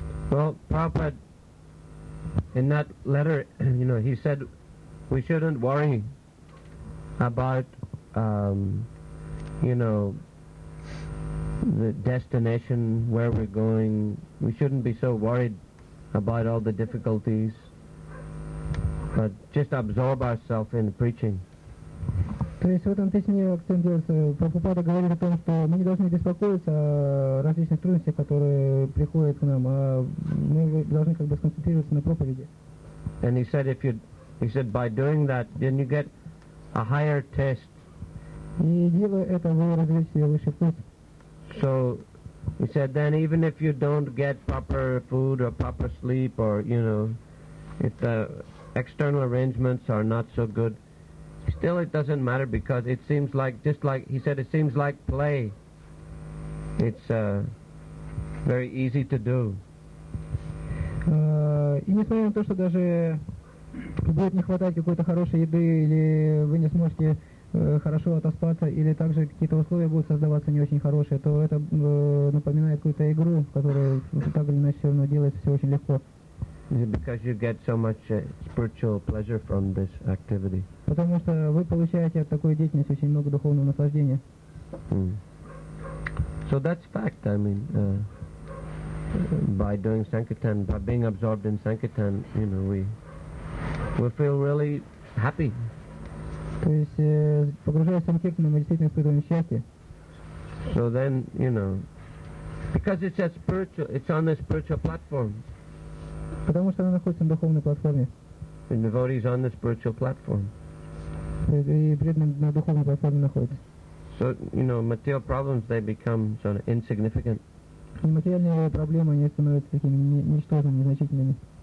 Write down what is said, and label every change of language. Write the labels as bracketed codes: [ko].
[en] Well, Prabhupada, in that letter, you know, he said we shouldn't worry about, you know, the destination, where we're going. We shouldn't be so worried about all the difficulties, but just absorb ourselves in preaching. [ru] То есть в этом песне акцент делается. Прабхупада говорит о том, что мы не должны беспокоиться о различных трудностях, которые приходят к нам, а мы должны как бы сконцентрироваться на проповеди. [en] And he said, if you, he said, by doing that, then you get a higher test. [ru] И делая это, вы развиваете высший вкус. [en] So he said, then even if you don't get proper food or proper sleep or, you know, if the external arrangements are not so good, still it doesn't matter, because it seems like, just like he said, it seems like play. It's very easy to do. [ru] И несмотря на то, что даже будет не хватать какой-то хорошей еды, или вы не сможете хорошо отоспаться, или также какие-то условия будут создаваться не очень хорошие, то это напоминает какую-то игру, в которой так или иначе все равно делается все очень легко. [en] Is it because you get so much spiritual pleasure from this activity? [ru] Потому что вы получаете от такой деятельности очень много духовного наслаждения. [en] So that's fact. I mean, by doing sankirtan, by being absorbed in sankirtan, you know, we feel really happy. [ru] То есть погружаясь в санкиртан, мы действительно испытываем счастье. [en] So then, you know, because it's a spiritual, it's on a spiritual platform. [ru] Потому что она находится на духовной платформе. [en] The devotee is on the spiritual platform. [ru] И преданный на духовной платформе находится. [en] So, you know, material problems, they become sort of insignificant. [ru] И материальные проблемы, они становятся такими ничтожными, незначительными.